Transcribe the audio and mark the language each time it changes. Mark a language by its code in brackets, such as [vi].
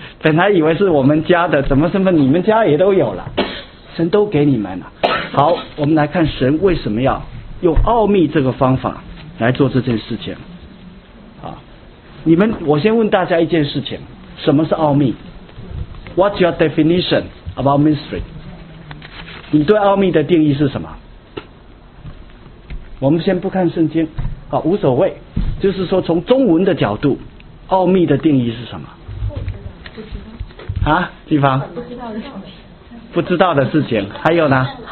[zh] 本来以为是我们家的，怎么身份你们家也都有了，神都给你们了。好，我们来看神为什么要用奥秘这个方法来做这件事情。啊，你们，我先问大家一件事情，什么是奥秘？ [en] What's your definition about mystery？ [zh] 你对奥秘的定义是什么？我们先不看圣经，啊，无所谓，就是说从中文的角度，奥秘的定义是什么？不知道。啊，地方？不知道的事情。不知道的事情，还有呢？